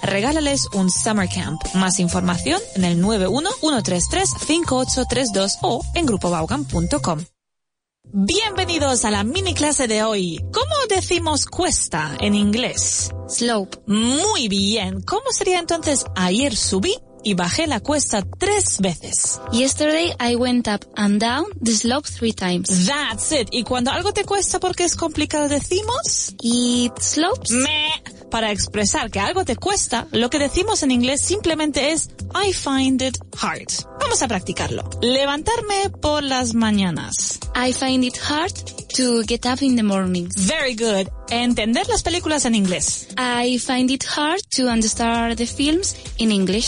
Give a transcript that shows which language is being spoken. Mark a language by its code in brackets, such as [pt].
[es] Regálales un summer camp. Más información en el 911-133-5832 o en grupovaughan.com. Bienvenidos a la mini clase de hoy. ¿Cómo decimos cuesta en inglés? [en] Slope. [es] Muy bien. ¿Cómo sería entonces ayer subí y bajé la cuesta 3 veces? [en] Yesterday I went up and down the slope 3 times. That's it. [es] Y cuando algo te cuesta porque es complicado decimos... [en] It slopes. Meh. [es] Para expresar que algo te cuesta, lo que decimos en inglés simplemente es [en] I find it hard. [es] Vamos a practicarlo. Levantarme por las mañanas. [en] I find it hard to get up in the morning. Very good. [es] Entender las películas en inglés. [en] I find it hard to understand the films in English.